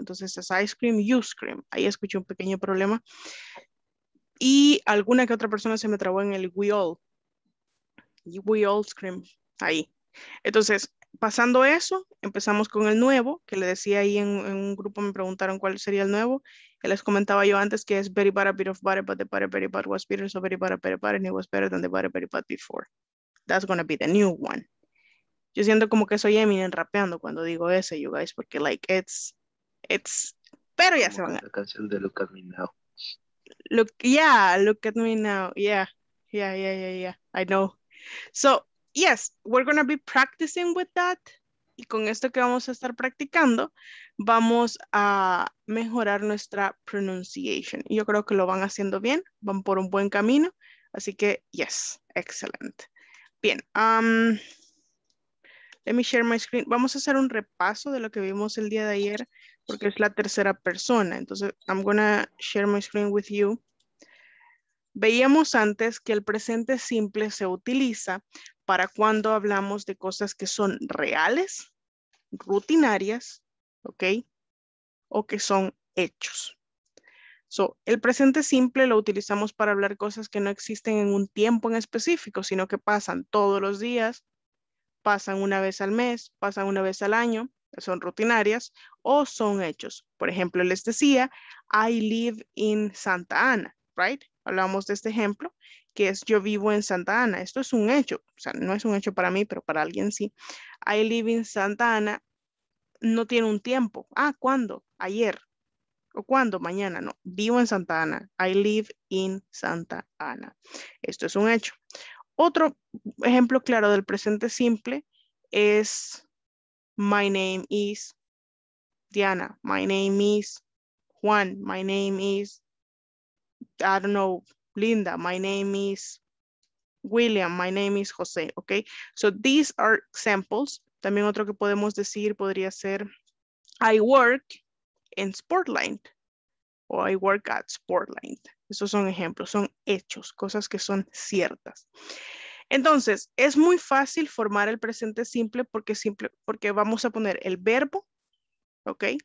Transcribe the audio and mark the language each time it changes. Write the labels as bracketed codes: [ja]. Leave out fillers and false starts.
[es] Entonces es [en] ice cream, you scream. [es] Ahí escuché un pequeño problema. Y alguna que otra persona se me trabó en el [en] we all scream, [es] ahí. Entonces, pasando eso, empezamos con el nuevo, que le decía ahí en un grupo, me preguntaron cuál sería el nuevo. Y les comentaba yo antes que es [en] very bad, a bit of butter, but the butter very bad was bitter, so very bad, better bad, and it was better than the butter very bad before. That's gonna be the new one. [es] Yo siento como que soy Eminem rapeando cuando digo ese, you guys, porque like, it's, pero ya como se van la canción de Look at Me Now. [en] Look at me now, yeah, I know. So, yes, we're going to be practicing with that. [es] Y con esto que vamos a estar practicando, vamos a mejorar nuestra pronunciation. Y yo creo que lo van haciendo bien, van por un buen camino. Así que, yes, excelente. Bien, let me share my screen. Vamos a hacer un repaso de lo que vimos el día de ayer, porque es la tercera persona. [en] Entonces, I'm going to share my screen with you. [es] Veíamos antes que el presente simple se utiliza para cuando hablamos de cosas que son reales, rutinarias, ¿ok? O que son hechos. So, el presente simple lo utilizamos para hablar cosas que no existen en un tiempo en específico, sino que pasan todos los días, pasan una vez al mes, pasan una vez al año, son rutinarias o son hechos. Por ejemplo, les decía, [en] I live in Santa Ana, right? [es] Hablamos de este ejemplo, que es yo vivo en Santa Ana. Esto es un hecho, o sea, no es un hecho para mí, pero para alguien sí. [en] I live in Santa Ana [es] no tiene un tiempo. Ah, ¿cuándo? Ayer. ¿O cuándo? Mañana, no. Vivo en Santa Ana. [en] I live in Santa Ana. [es] Esto es un hecho. Otro ejemplo claro del presente simple es [en] my name is Diana. My name is Juan. My name is, I don't know, Linda, my name is William, my name is Jose, okay? So these are examples. [es] También otro que podemos decir podría ser, [en] I work in Sportline, [es] o [en] I work at Sportline. [es] Esos son ejemplos, son hechos, cosas que son ciertas. Entonces, es muy fácil formar el presente simple porque vamos a poner el verbo, okay?